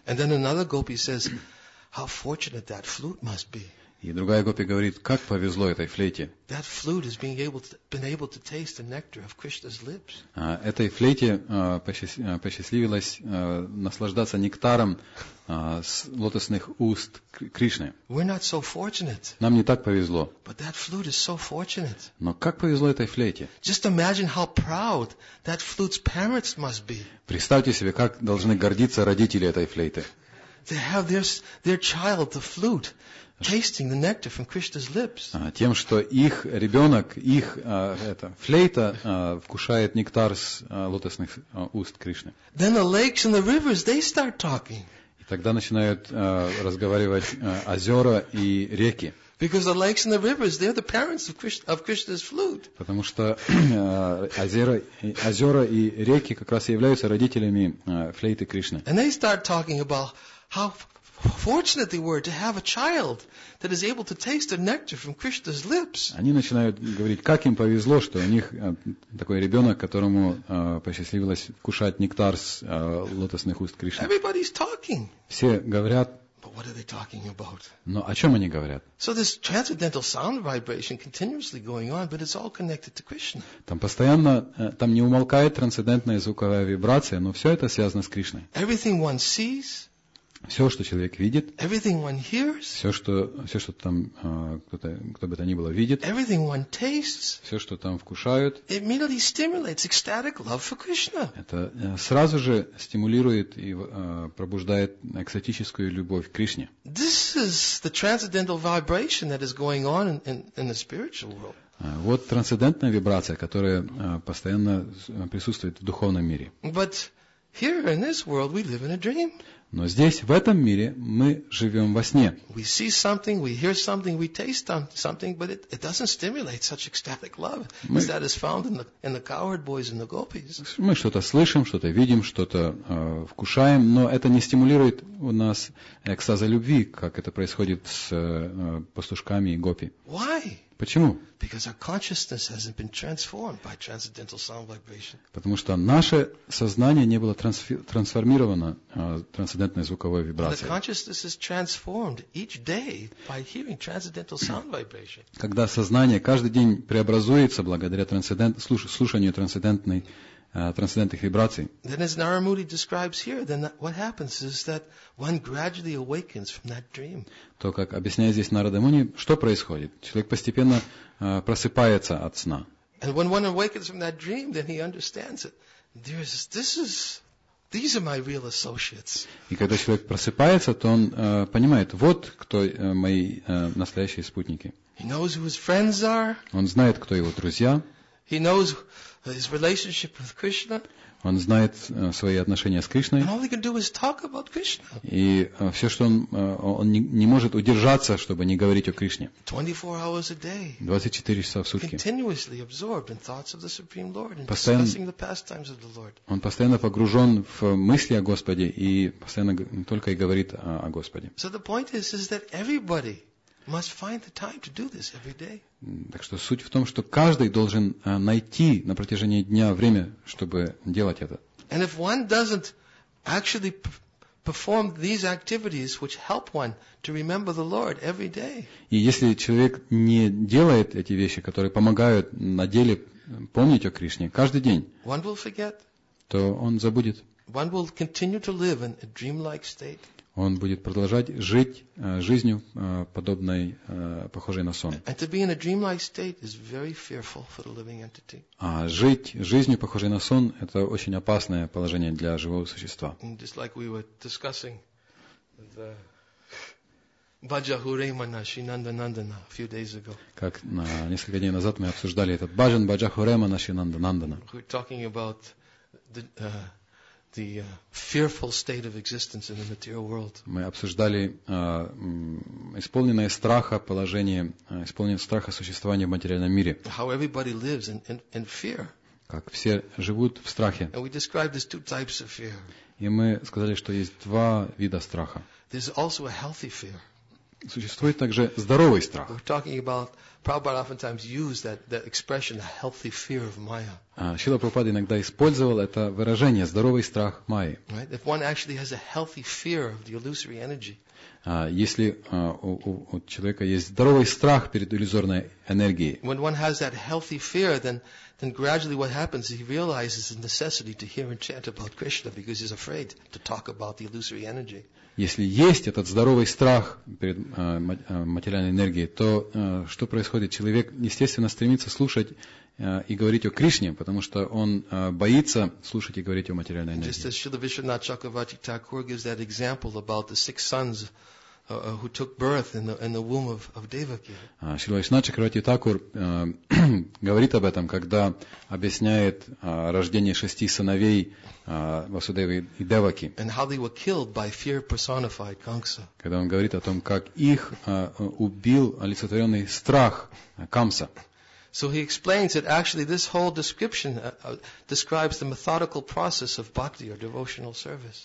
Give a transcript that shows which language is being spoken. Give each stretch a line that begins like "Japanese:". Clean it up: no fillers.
English: And then another gopi says, "How fortunate that flute must be."
Russian: И другая гопи говорит, как повезло этой флейте.
English: That flute has been able to taste the nectar of Krishna's lips.
Russian: Этой флейте посчастливилось наслаждаться нектаром с лотосных уст Кришны.
English: We're not so fortunate.
Russian: Нам не так повезло.
English: But that flute is so fortunate.
Russian: Но как повезло этой флейте?
English: Just imagine how proud that flute's parents must be.
Russian: Представьте себе, как должны гордиться родители этой флейты.
English: To have their child the flute. Tasting the nectar from Krishna's lips.
Russian: Тем, что их ребенок, их флейта вкушает нектар с лотосных уст Кришны.
English: Then the lakes and the rivers, they start talking.
Russian: И тогда начинают разговаривать озера и реки.
English: Because the lakes and the rivers, they're the parents of Krishna's flute.
Russian: Потому что озера и реки как раз являются родителями флейты Кришны.
English: And they start talking about how fortunate they were to have a child that is able to taste the nectar from Krishna's lips.
Russian: Они начинают говорить, как им повезло, что у них такой ребенок, которому посчастливилось кушать нектар с лотосных уст Кришны.
English: Everybody's talking.
Russian: Все говорят.
English: But what are they talking about?
Russian: Но о чем они говорят?
English: So this transcendental sound vibration continuously going on, but it's all connected to Krishna.
Russian: Там постоянно, там не умолкает трансцендентная звуковая вибрация, но все это связано с Кришной.
English: Everything one sees.
Russian: Все, что человек видит,
English: everything one hears,
Russian: все, что там кто-то, кто бы то ни было, видит,
English: everything one tastes,
Russian: все, что там вкушают,
English: it immediately stimulates ecstatic love for Krishna.
Russian: Это сразу же стимулирует и пробуждает экстатическую любовь к Кришне.
English: This is the transcendental vibration that is going on in the spiritual world.
Russian: Вот трансцендентная вибрация, которая постоянно присутствует в духовном мире.
English: But here in this world we live in a dream.
Russian: Но здесь, в этом мире, мы живем во сне.
English: We see something, we hear something, we taste something, but it doesn't stimulate such ecstatic love as that is found in the coward boys and the gopis.
Russian: Мы что-то слышим, что-то видим, что-то вкушаем, но это не стимулирует у нас экстаза любви, как это происходит с пастушками и гопи.
English: Why?
Russian: Почему?
English: Because our consciousness hasn't been transformed by transcendental sound vibration.
Russian: Потому что наше сознание не было трансформировано трансцендентной звуковой вибрацией.
English: The consciousness is transformed each day by hearing transcendental sound vibration.
Russian: Когда сознание каждый день преобразуется благодаря слушанию трансцендентных вибраций.
English: Then as Narayamudi describes here, then what happens is that one gradually awakens from that dream.
Russian: То, как объясняет здесь Нарадамуни, что происходит? Человек постепенно просыпается от сна.
English: And when one awakens from that dream, then he understands it. These are my real associates.
Russian: И когда человек просыпается, то он понимает, вот кто мои настоящие спутники.
English: He knows who his friends are.
Russian: Он знает, кто его друзья.
English: He knows his relationship with Krishna.
Russian: Он знает свои отношения с Кришной.
English: And all he can do is talk about Krishna.
Russian: И все, что он не может удержаться, чтобы не говорить о Кришне.
English: 24 hours a day.
Russian: 24 часа в сутки.
English: Continuously absorbed in thoughts of the Supreme Lord and discussing the pastimes of the Lord.
Russian: Он постоянно погружен в мысли о Господе и постоянно только и говорит о Господе.
English: So the point is that everybody must find the time to do this every day.
Russian: Так что суть в том, что каждый должен найти на протяжении дня время, чтобы делать это.
English: And if one doesn't actually perform these activities which help one to remember the Lord every day.
Russian: И если человек не делает эти вещи, которые помогают на деле помнить о Кришне каждый день.
English: One will forget.
Russian: То он забудет.
English: One will continue to live in a dreamlike state.
Russian: он будет продолжать жить жизнью подобной, похожей на сон.
English: And to be in a dreamlike state is very fearful for the living entity.
Russian: А жить жизнью, похожей на сон, это очень опасное положение для живого существа.
English: And just like we were discussing the Баджахуремана Шинанда-Нандана a few days ago.
Russian: Как несколько дней назад мы обсуждали этот баджан Баджахуремана Шинанда-Нандана.
English: We're talking about the fearful state of existence in the material world.
Russian: Мы обсуждали исполненное страха положение, исполненное страха существования в материальном мире.
English: How everybody lives in fear.
Russian: Как все живут в страхе.
English: And we described these two types of fear.
Russian: И мы сказали, что есть два вида страха.
English: There's also a healthy fear.
Russian: Существует также здоровый страх.
English: We're talking about Prabhupada oftentimes used that expression, a healthy fear of Maya.
Russian: Шрила Прабхупада иногда использовал это выражение, здоровый страх Майи.
English: Right? If one actually has a healthy fear of the illusory energy.
Russian: Если у человека есть здоровый страх перед иллюзорной энергией.
English: When one has that healthy fear, then gradually what happens is he realizes the necessity to hear and chant about Krishna because he's afraid to talk about the illusory energy.
Russian: Если есть этот здоровый страх перед материальной энергией, то что происходит? Человек, естественно, стремится слушать и говорить о Кришне, потому что он боится слушать и говорить о материальной энергии.
English: Just as Śrīla Viśvanātha Chakravarti Thakura gives that example about the six sons who took birth in the womb of Devaki.
Russian: Śrīla Viśvanātha Chakravarti Thakura говорит об этом, когда объясняет рождение шести сыновей Васудевы и Деваки.
English: And how they were killed by fear personified Kamsa.
Russian: Когда он говорит о том, как их убил олицетворенный страх Камса.
English: So he explains that actually this whole description describes the methodical process of bhakti or devotional service.